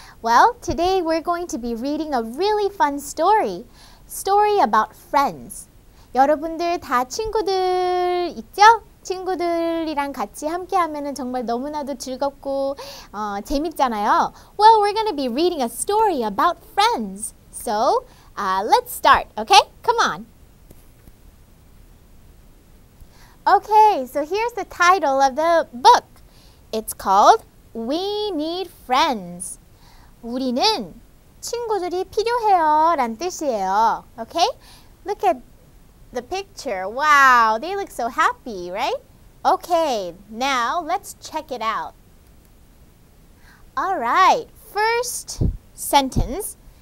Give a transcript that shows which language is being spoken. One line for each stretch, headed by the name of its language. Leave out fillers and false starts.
English: Well, today we're going to be reading a really fun story. Story about friends.
Korean: 여러분들 다 친구들 있죠? 친구들이랑 같이 함께하면 정말 너무나도 즐겁고 재밌잖아요.
English: Well, we're going to be reading a story about friends. So, let's start, okay? Come on. Okay, so here's the title of the book. It's called We Need Friends.
Korean: 우리는 친구들이 필요해요 라는 뜻이에요.
English: Okay? Look at the picture. Wow, they look so happy, right? Okay, now let's check it out. Alright, first sentence.